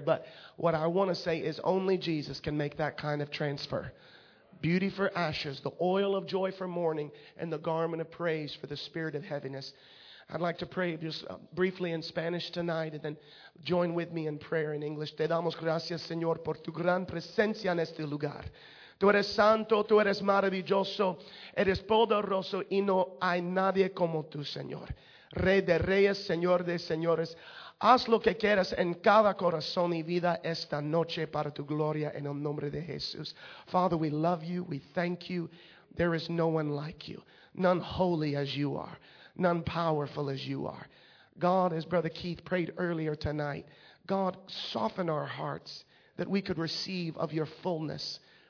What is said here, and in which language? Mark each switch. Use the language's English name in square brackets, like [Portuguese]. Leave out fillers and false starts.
[English] But what I want to say is only Jesus can make that kind of transfer. Beauty for ashes, the oil of joy for mourning, and the garment of praise for the spirit of heaviness. I'd like to pray just briefly in Spanish tonight and then join with me in prayer in English. [Spanish] Te damos gracias, Señor, por tu gran presencia en este lugar. Tú eres santo, tú eres maravilloso, eres poderoso y no hay nadie como tú, Señor. Rey de reyes, Señor de señores, haz lo que quieras en cada corazón y vida esta noche para tu gloria en el nombre de Jesús. [English] Father, we love you, we thank you. There is no one like you, none holy as you are, none powerful as you are. God, as Brother Keith prayed earlier tonight, God, soften our hearts that we could receive of your fullness.